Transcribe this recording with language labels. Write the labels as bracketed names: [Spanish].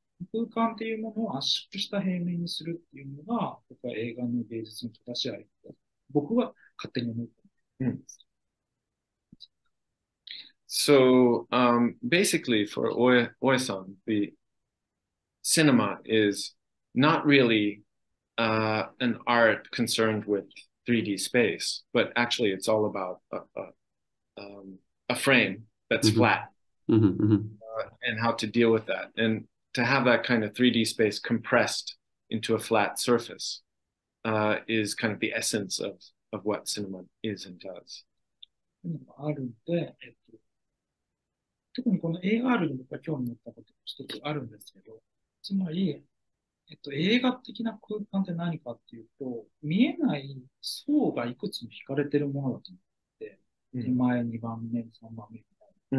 [Japanese] 空間っていうものを圧縮した平面にするっていうのが僕は映画の芸術の正しいアイデアだと僕は勝手に思ってます。うん。 [English] So, basically for Oe-san, the cinema is not really an art concerned with 3D space, but actually it's all about a frame that's mm-hmm. flat mm-hmm, and how to deal with that. And,to have that kind of 3D space compressed into a flat surface is kind of the essence of what cinema is and does. [Japanese] というのがあるんで、特にこの AR に僕は興味を持ったことが一つあるんですけど、つまり、映画的な空間って何かっていうと、見えない層がいくつも引かれてるものだと思って、手前、2番目、3番目みたいな。